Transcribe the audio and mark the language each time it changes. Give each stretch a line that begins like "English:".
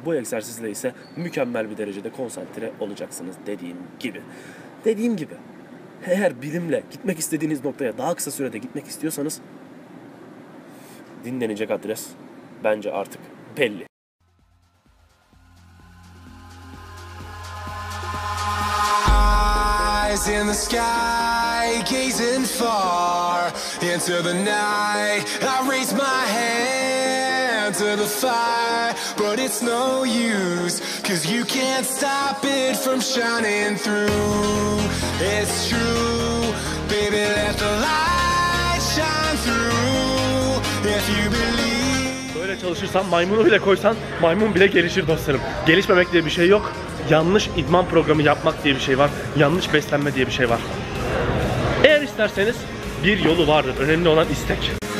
Turkish: Bu egzersizle ise mükemmel bir derecede konsantre olacaksınız, dediğim gibi. Eğer bilimle gitmek istediğiniz noktaya daha kısa sürede gitmek istiyorsanız, dinlenecek adres bence artık belli.
English: Eyes in the sky, gazing far into the night. I raise my hand to the fire, but it's no use, 'cause you can't stop it from shining through. It's true, baby, let the light shine through. If you believe.
Turkish: Böyle çalışırsan, maymunu bile koysan, maymun bile gelişir dostlarım. Gelişmemek diye bir şey yok. Yanlış idman programı yapmak diye bir şey var. Yanlış beslenme diye bir şey var. Eğer isterseniz bir yolu vardır. Önemli olan istek.